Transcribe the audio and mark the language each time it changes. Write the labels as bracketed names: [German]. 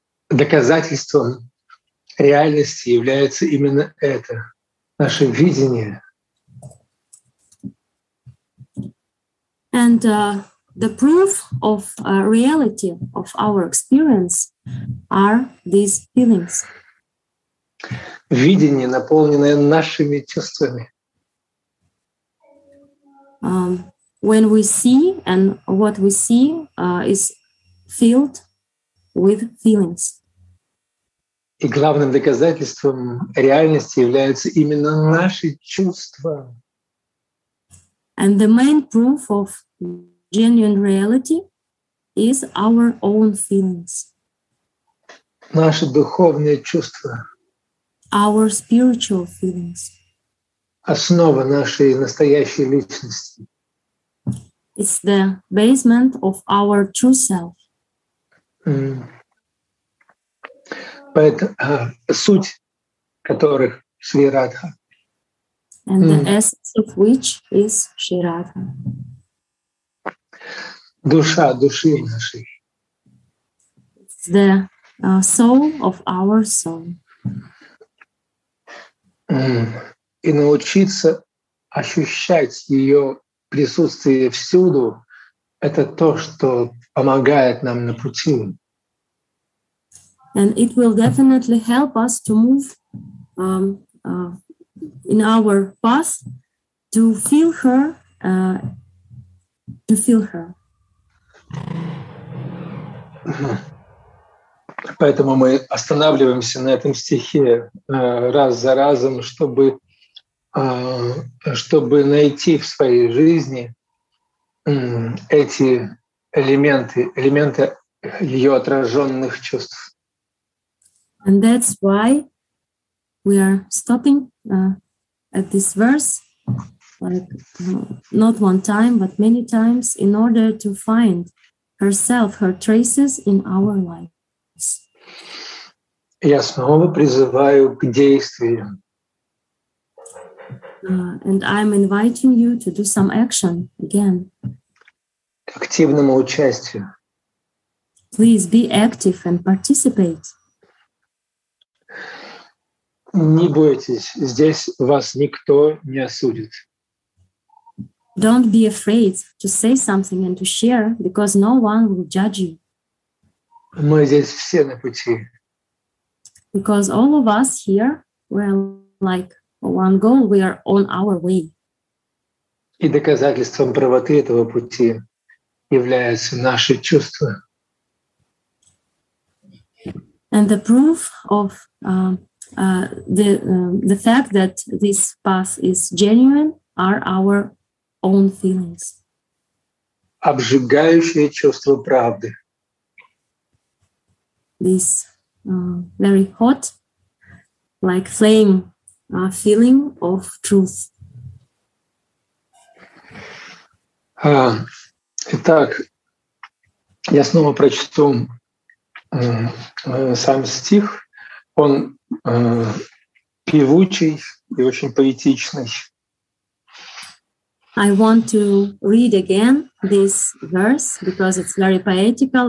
[Russian] Доказательством реальности является именно это, наше видение. [English] And the proof of reality of our experience are these feelings. [Russian] Видение, наполненное нашими чувствами. [English] When we see, and what we see is filled with feelings. [Russian] И главным доказательством реальности является именно наши чувства. [English] And the main proof of genuine reality is our own feelings. [Russian] Наши духовные чувства. [English] Our spiritual feelings. [Russian] Основа нашей настоящей личности. [English] It's the basement of our true self. [Russian] Поэтому суть которых Шри Радха. [English] And the essence of which is Шри Радха. [Russian] Душа, души нашей. [English] It's the soul of our soul. [Russian] И научиться ощущать ее присутствие всюду, это то, что помогает нам на пути. [English] And it will definitely help us to move in our path to feel her, to feel her. [Russian] Поэтому мы останавливаемся на этом стихе раз за разом, чтобы найти в своей жизни эти элементы, элементы ее отраженных чувств. [English] And that's why we are stopping at this verse, like not one time, but many times, in order to find herself, her traces in our life. [Russian] Я снова призываю к действию. [English] And I'm inviting you to do some action again. [Russian] К активному участию. [English] Please be active and participate. [Russian] Не бойтесь, здесь вас никто не осудит. [English] Don't be afraid to say something and to share, because no one will judge you. [Russian] Мы здесь все на пути. [English] Because all of us here, we're like one goal, we are on our way. [Russian] И доказательством правоты этого пути являются наши чувства. [English] And the proof of the fact that this path is genuine are our own feelings. [Russian] Обжигающее чувство правды. [English] This very hot, like flame, feeling of truth. [Russian] Итак, я снова прочту сам стих. Он певучий и очень поэтичный. [English] I want to read again this verse because it's very poetical.